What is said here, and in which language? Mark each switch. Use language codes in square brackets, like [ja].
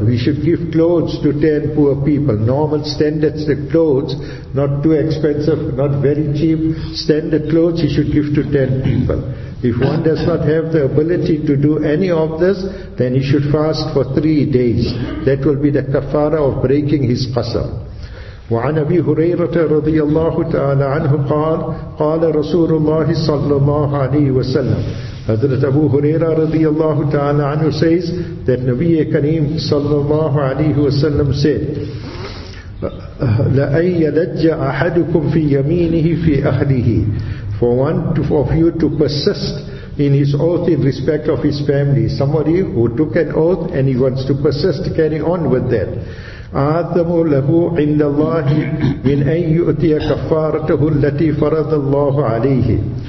[en] We should give clothes to 10 poor people. Normal standard clothes, not too expensive, not very cheap. Standard clothes you should give to 10 people. If one does not have the ability to do any of this, then he should fast for 3 days. That will be the kafara of breaking his qasam. [ar] وعن أبي هريرة رضي الله تعالى عنه قال قال رسول الله صلى الله عليه وسلم. [en] Hazrat Abu Huraira [ar] رضي الله تعالى عنه [en] says that Nabi Kareem [ar] صلى الله عليه وسلم [en] said, [ar] لأن يلج أحدكم في يمينه في أهله. [en] For one of you to persist in his oath in respect of his family. Somebody who took an oath and he wants to persist, carry on with that. [ar] أَعْظَمُ لَهُ عِنَّ اللَّهِ مِنْ أَنْ يُؤْتِيَ كَفَّارَتَهُ الَّتِي فَرَضَ اللَّهُ عَلَيْهِ.